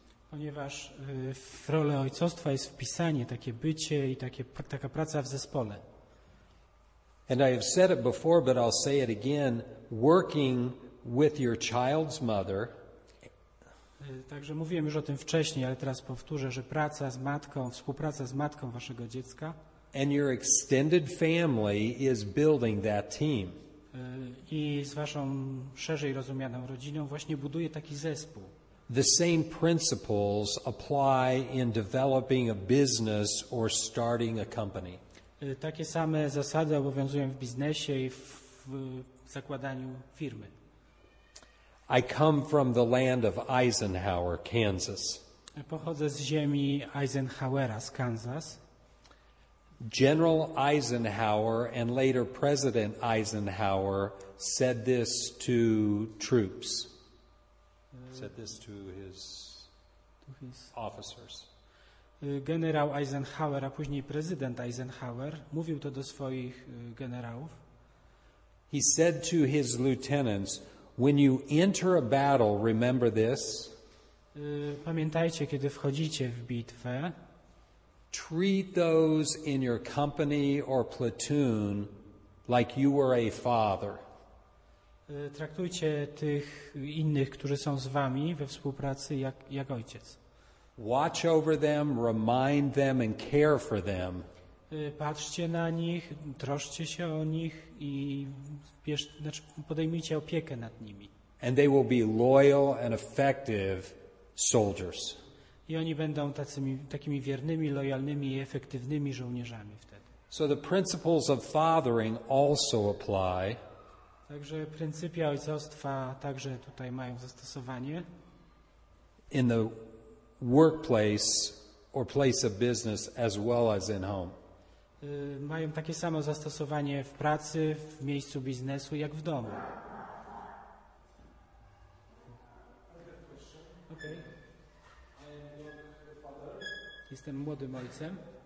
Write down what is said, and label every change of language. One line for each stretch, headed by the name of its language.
Polish: Ponieważ w rolę ojcostwa jest wpisanie takie bycie i takie, taka praca w zespole.
English: And I have said it before, but I'll say it again, working with your child's mother.
Polish: Także mówiłem już o tym wcześniej, ale teraz powtórzę, że praca z matką, współpraca z matką waszego dziecka.
English: And your extended family is building that team.
Polish: I z waszą szerzej rozumianą rodziną właśnie buduje taki zespół.
English: The same principles apply in developing a business or starting a company.
Polish: Takie same zasady obowiązują w biznesie i w zakładaniu firmy.
English: I come from the land of Eisenhower, Kansas.
Polish: Pochodzę z ziemi Eisenhowera z Kansas.
English: General Eisenhower and later President Eisenhower said this to troops. Said this to his officers.
Polish: Generał Eisenhower, a później prezydent Eisenhower, mówił to do swoich generałów.
English: He said to his lieutenants, "When you enter a battle, remember this."
Polish: Pamiętajcie, kiedy wchodzicie w bitwę.
English: Treat those in your company or platoon like you were a father.
Polish: Traktujcie tych innych, którzy są z wami we współpracy jak ojciec.
English: Watch over them, remind them and care for them.
Polish: Patrzcie na nich, troszcie się o nich i podejmijcie opiekę nad nimi.
English: And they will be loyal and effective soldiers.
Polish: I oni będą takimi wiernymi, lojalnymi i efektywnymi żołnierzami wtedy.
English: So the principles of fathering also apply.
Polish: Także pryncypia ojcostwa także tutaj mają zastosowanie.
English: In the workplace or place of business as well as in home.
Polish: Mają takie samo zastosowanie w pracy, w miejscu biznesu, jak w domu.
English: Okay.
Polish: Jestem młodym ojcem.